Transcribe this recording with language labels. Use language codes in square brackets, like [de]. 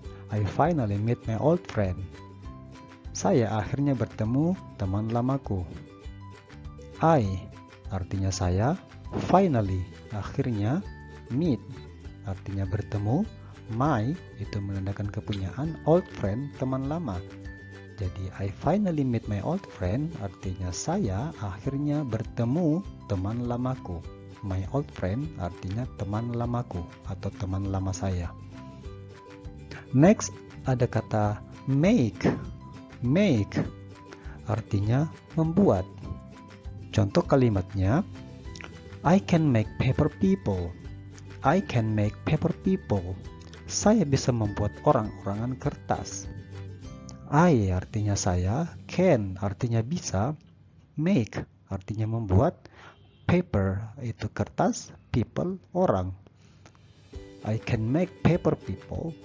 [en] I finally meet my old friend. [id] Saya akhirnya bertemu teman lamaku. I artinya saya, finally akhirnya, meet artinya bertemu, my itu menandakan kepunyaan, old friend teman lama. Jadi [en] I finally meet my old friend [id] artinya saya akhirnya bertemu teman lamaku. [en] My old friend [id] artinya teman lamaku atau teman lama saya. Next ada kata make. Make artinya membuat. Contoh kalimatnya, [en] I can make paper people. I can make paper people. [id] Saya bisa membuat orang-orangan kertas. I artinya saya, can artinya bisa, make artinya membuat, paper itu kertas, people orang. [en] I can make paper people.